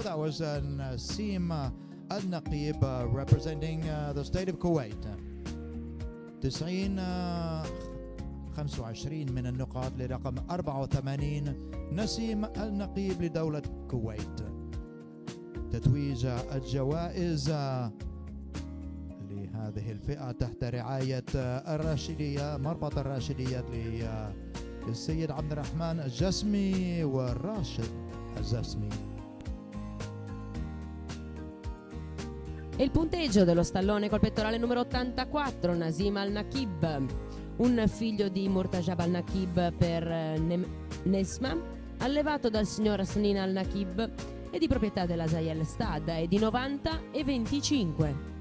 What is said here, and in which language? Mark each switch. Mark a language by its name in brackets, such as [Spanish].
[English] That was Nassim Al-Naqib representing the state of Kuwait. [Arabic] 90-25 من النقاط لرقم 84 نسيم النقيب لدولة كويت. تتويج الجوائز لهذه الفئة تحت رعاية الراشدية مربط الراشدية السيد عبد الرحمن الجسمي والراشد الجسمي. [Italian] Il punteggio dello stallone col pettorale numero 84 Nassim Al-Naqib, un figlio di Murtaja Al-Naqib per Nesma, allevato dal signor Sunin Al-Naqib e di proprietà della Zayel Stad, è di 90-25.